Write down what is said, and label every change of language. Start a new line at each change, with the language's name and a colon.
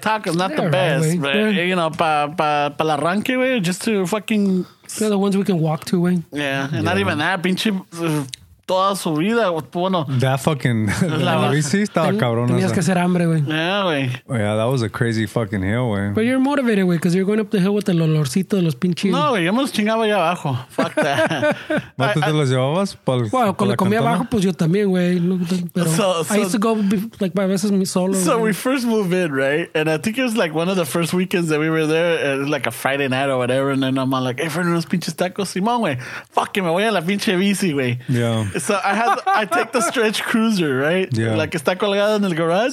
English: Tacos, not they're the best. Right, but, you know,
Spanish: pa la ranque,
English: güey, just to fucking... They're the ones we can walk to, güey. Yeah, and not even that,
Spanish: pinche... Toda su vida, bueno.
English: That fucking...
Spanish: La bici estaba cabrona. Tenías que hacer hambre, güey.
English: Yeah, güey. Oh, yeah, that was a crazy fucking hill, güey. But you're motivated, güey, because you're going up the hill with
Spanish: el olorcito de los pinches... No, güey, yo me los chingaba allá abajo.
English: Fuck that.
Spanish: ¿No tú te los llevabas? Bueno, cuando comí abajo, pues yo también, güey.
English: Pero I used to go, like, by
Spanish: veces solo.
English: So we first moved in, right? And I think it was, like, one of the first weekends that we were there, like a Friday night or whatever, and then I'm like, hey, friend,
Spanish: unos pinches tacos, Simón,
English: güey. Fuck it,
Spanish: me voy a la pinche bici, güey.
English: Yeah. So I take the stretch cruiser, right? Yeah. Like,
Spanish: está colgada en el garage.